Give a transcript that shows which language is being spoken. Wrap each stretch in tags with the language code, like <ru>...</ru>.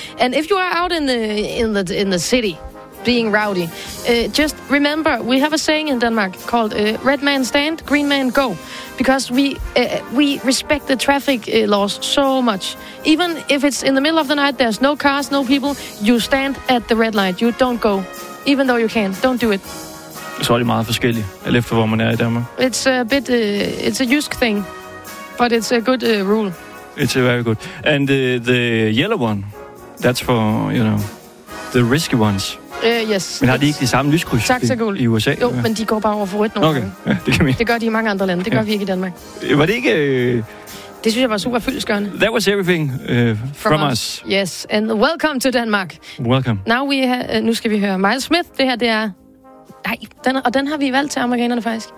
<en>And if you are out in the city being rowdy, just remember we have a saying in Denmark called red man stand, green man go, because we respect the traffic laws so much. Even if it's in the middle of the night, there's no cars, no people, you stand at the red light. You don't go, even though you can. Don't do it.</en> <da>Så er det meget forskelligt, alt efter hvor man er i Danmark.</da> <en>It's a bit it's a Jysk thing, but it's a good rule. It's very good. And the yellow one, that's for, you know, the risky ones. Yes.</en> <da>Men har de ikke de samme lyskryds i USA? Jo, men de går bare over for rødt nogle gange. Okay, ja, det kan vi. Det gør de i mange andre lande. Det gør vi ikke i Danmark. Var det ikke... Det synes jeg var super fyldestgørende.</da> <en>That was everything from us. Yes, and welcome to Denmark. Welcome. Now we</en> <da>nu skal vi høre Miles Smith. Det her, det er... Nej, den har vi valgt til amerikanerne faktisk.</da>